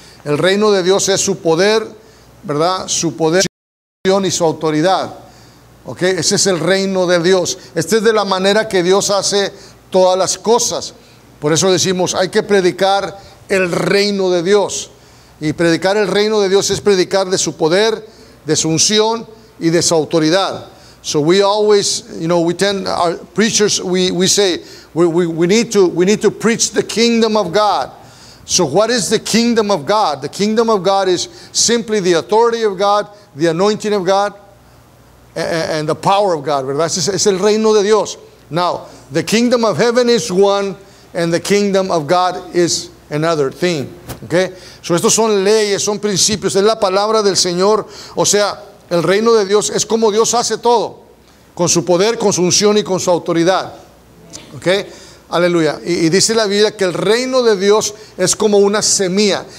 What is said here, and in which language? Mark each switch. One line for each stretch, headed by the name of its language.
Spanish: El reino de Dios es su poder, ¿verdad?, su poder y su autoridad. ¿Ok? Ese es el reino de Dios. Esta es de la manera que Dios hace todas las cosas. Por eso decimos, hay que predicar el reino de Dios. Y predicar el reino de Dios es predicar de su poder, de su unción y de su autoridad.
English: So we always, you know, we tend, our preachers, we say, we need to preach the kingdom of God. So what is the kingdom of God? The kingdom of God is simply the authority of God, the anointing of God, and the power of God,
Spanish: ¿verdad? Es el reino de Dios.
English: Now, the kingdom of heaven is one, and the kingdom of God is another thing, okay?
Spanish: So estos son leyes, son principios, es la palabra del Señor, o sea, el reino de Dios es como Dios hace todo, con su poder, con su unción y con su autoridad. ¿Ok? Aleluya. Y dice la Biblia que el reino de Dios es como una semilla.